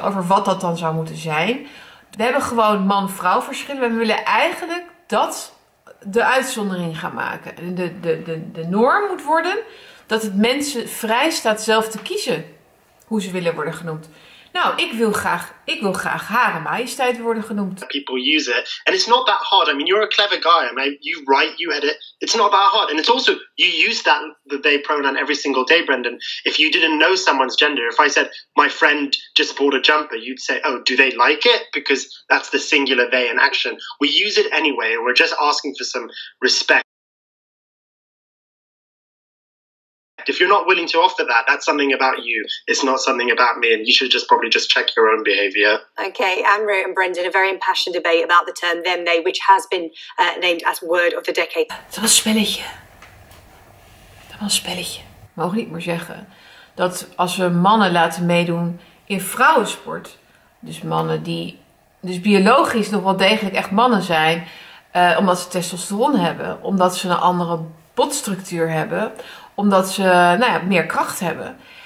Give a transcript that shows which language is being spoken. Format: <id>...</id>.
<nl>Over wat dat dan zou moeten zijn. We hebben gewoon man-vrouw verschillen. We willen eigenlijk dat de uitzondering gaan maken. De norm moet worden dat het mensen vrij staat zelf te kiezen hoe ze willen worden genoemd. Nou, ik wil graag Hare Majesteit worden genoemd.</nl> <en>People use it. And it's not that hard. I mean, you're a clever guy. I mean, you write, you edit. It's not that hard. And it's also, you use that the they pronoun every single day, Brendan. If you didn't know someone's gender, if I said, my friend just bought a jumper, you'd say, oh, do they like it? Because that's the singular they in action. We use it anyway, and we're just asking for some respect. If you're not willing to offer that, that's something about you. It's not something about me, and you should just probably just check your own behavior. Okay, Amory and Brendan, a very impassioned debate about the term them, they, which has been named as word of the decade.</en> <nl>Het was een spelletje. Het was een spelletje. Mag niet meer zeggen dat als we mannen laten meedoen in vrouwensport, dus mannen die dus biologisch nog wel degelijk echt mannen zijn, omdat ze testosteron hebben, omdat ze een andere botstructuur hebben, omdat ze meer kracht hebben.</nl>